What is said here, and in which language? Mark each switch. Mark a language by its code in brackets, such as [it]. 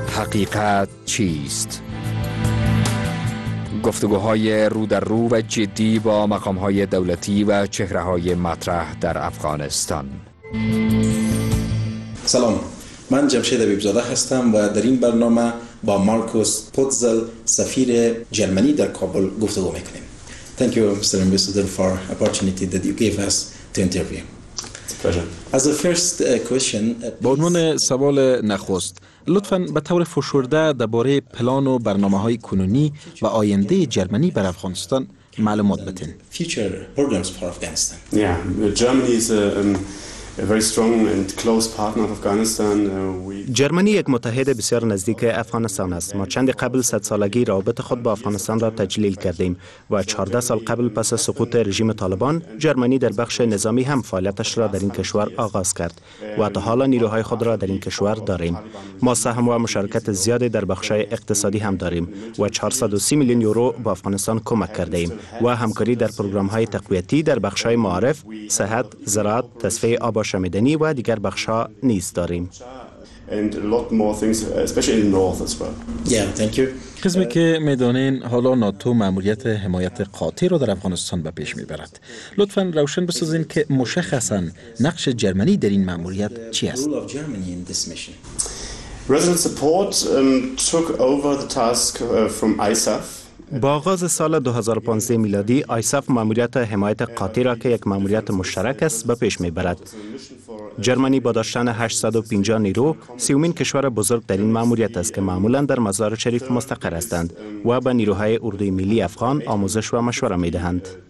[fa] حقیقت چیست؟ گفتگوهای رو در رو و جدی با مقامهای دولتی و چهرههای مطرح در افغانستان. سلام، من جمشید عبیب‌زاده هستم و در این برنامه با مارکوس پوتزل سفیر جرمنی در کابل گفتگو میکنیم. [en] Thank you, Mr. Ambassador, for the opportunity that you gave us to interview. As a first question, [fa] به عنوان سوال نخست، لطفاً به طور فشرده درباره پلان و برنامه‌های کنونی و آینده جرمنی بر افغانستان معلومات بدین. [en] Future programs for Afghanistan. Yeah, Germany is a very strong and close partner of Afghanistan. [fa] جرمنی یک متحد بسیار نزدیک افغانستان است. ما چند قبل 100 سالگی رابطه خود با افغانستان را تجلیل کردیم و 14 سال قبل پس از سقوط رژیم طالبان جرمنی در بخش نظامی هم فعالیتش را در این کشور آغاز کرد و تا حالا نیروهای خود را در این کشور داریم. ما سهم و مشارکت زیادی در بخش اقتصادی هم داریم و 430 میلیون یورو با افغانستان کمک کرده ایم و همکاری در پروگرام های تقویتی در بخش های معارف، صحت، زراعت، تصفیه آب و شمیدنی و دیگر بخش ها نیز داریم. [en] And a lot more things, especially in the north as well. Yeah, thank you. [fa] قسمی که میدانین حالا ناتو ماموریت حمایت قاطع رو در افغانستان به پیش میبرد. لطفاً روشن بسازین که مشخصاً نقش جرمنی در این ماموریت چی است؟ [en] Resident Support took over the task from ISAF. [fa] با آغاز سال 2015 میلادی، ISAF ماموریت حمایت قاطی را که یک ماموریت مشترک است، به پیش می‌برد. جرمنی با داشتن 850 نیرو، سومین کشور بزرگ در این ماموریت است که معمولاً در مزار شریف مستقر هستند و به نیروهای اردوی ملی افغان آموزش و مشوره می‌دهند.